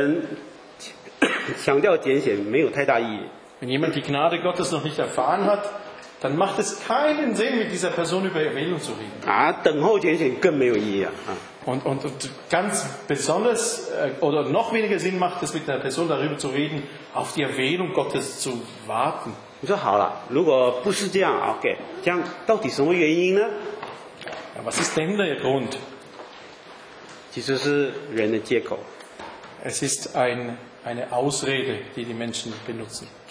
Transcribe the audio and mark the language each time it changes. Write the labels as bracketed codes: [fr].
[zh] 如果对于一个还没有蒙恩的人强调拣选没有太大意义。 [de] Wenn jemand die Gnade Gottes noch nicht erfahren hat, dann macht es keinen Sinn, mit dieser Person über Erwählung zu reden. [zh] 等候拣选更没有意义啊。 [de] Und ganz besonders oder noch weniger Sinn macht es, mit einer Person darüber zu reden, auf die Erwählung Gottes zu warten. [zh] 你说好了，如果不是这样，OK，这样到底什么原因呢？ [de] Ja, was ist denn der Grund? [zh] 其实是人的借口。 [de] Es ist eine Ausrede, die die Menschen benutzen.